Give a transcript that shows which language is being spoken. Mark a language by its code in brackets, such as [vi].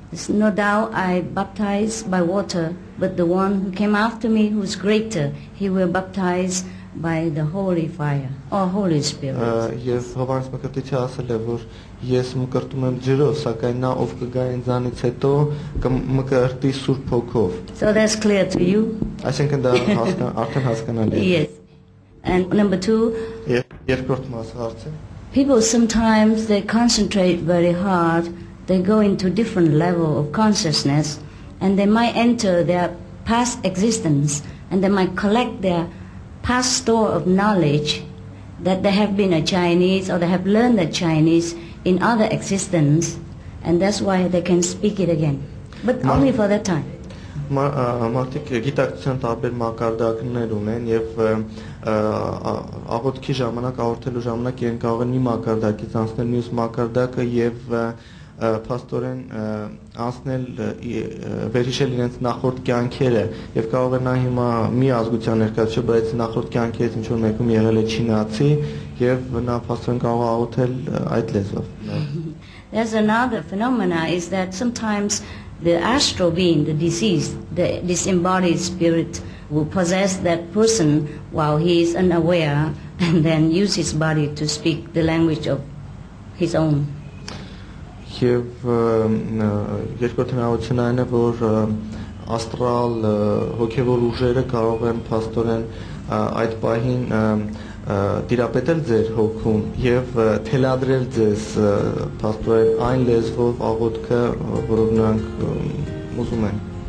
[en] there's no doubt I baptized by water, but the one who came after me, who's greater, he will baptize by the Holy Fire or Holy Spirit. [hy] Yes, Հովհանես Մկրտիչը ասել է, որ ես մկրտում եմ ջրով, սակայն նա, ով կգա ինձանից հետո, կմկրտի Սուրբ Հոգով. [en] So that's clear to you? I think that's [hy] արդեն հասկանալի [en] է. Yes. And number two? [hy] Երկրորդ մասը հարցը. [en] People sometimes they concentrate very hard, they go into different level of consciousness, and they might enter their past existence, and they might collect their past store of knowledge that they have been a Chinese or they have learned the Chinese in other existence, and that's why they can speak it again, but only for that time. [hy] Մարդիկ գիտակցության տարբեր մակարդակներ ունեն եւ աղոթքի ժամանակ, աղոթելու ժամանակ իրեն կարող են մի մակարդակից անցնել մյուս մակարդակը եւ փաստորեն անցնել վերհիշել իրենց նախորդ կյանքերը եւ կարող են հիմա մի ազգության ներկայացուցիչ, բայց նախորդ կյանքից ինչ-որ մեկում եղել է չինացի եւ նա փաստորեն կարող է աղոթել այդ լեզվով։ [en] There's another phenomena is that sometimes the astral being, the deceased, the disembodied spirit will possess that person while he is unaware and then use his body to speak the language of his own. [hy] Եվ երկրորդ հնարավորությունը այն է, որ աստրալ հոգևոր ուժերը կարող են փաստորեն այդ պահին դիրապետել ձեր հոգուն եւ թելադրել ձեզ փաստորեն այն լեզվով աղոթքը, որով նրանք ուզում են։